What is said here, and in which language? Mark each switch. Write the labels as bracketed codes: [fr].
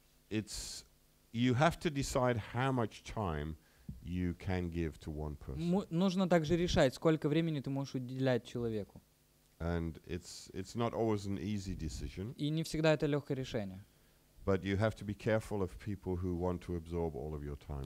[en] It's you have to decide how much time you can give to one person. [ru] Нужно также решать, сколько времени ты можешь уделять человеку. [en] And it's not always an easy decision. [ru] И не всегда это легкое решение. [en] But you have to be careful of people who want to absorb all of your time.